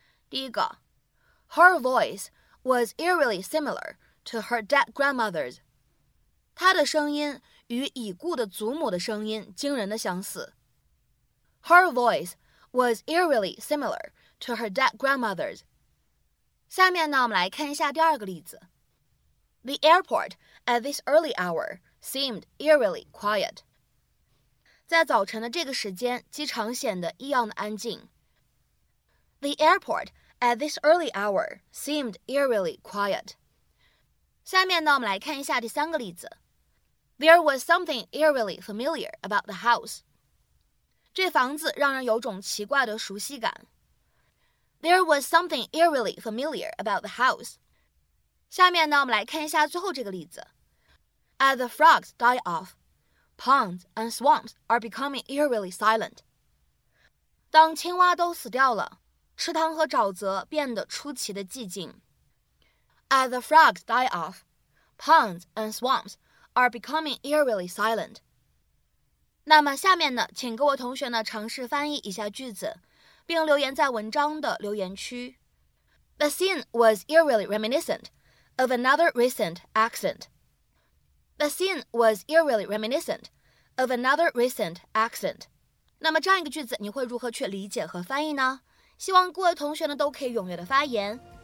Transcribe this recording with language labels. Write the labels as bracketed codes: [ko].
[zh] 第一个 [en] Her voice was eerily similar to her dead grandmother's. [zh] 她的声音与已故的祖母的声音惊人的相似。 [en] Her voice was eerily similar to her dead grandmother's. [zh] 下面呢，我们来看一下第二个例子。 [en] The airport at this early hour seemed eerily quiet. [zh] 在早晨的这个时间，机场显得异样的安静。 [en] The airport at this early hour seemed eerily quiet. [zh] 下面呢，我们来看一下第三个例子。 [en] There was something eerily familiar about the house. [zh] 这房子让人有种奇怪的熟悉感。 [en] There was something eerily familiar about the house. [zh] 下面呢，我们来看一下最后这个例子。 [en] As the frogs die off, ponds and swamps are becoming eerily silent. [zh] 当青蛙都死掉了，池塘和沼泽变得出奇的寂静。 [en] As the frogs die off, ponds and swamps are becoming eerily silent. [zh] 那么下面呢，请各位同学呢尝试翻译一下句子。并留言在文章的留言区。 [en] The scene was eerily reminiscent of another recent accident. The scene was eerily reminiscent of another recent accident. [zh] 那么这样一个句子你会如何去理解和翻译呢？希望各位同学呢都可以踊跃的发言。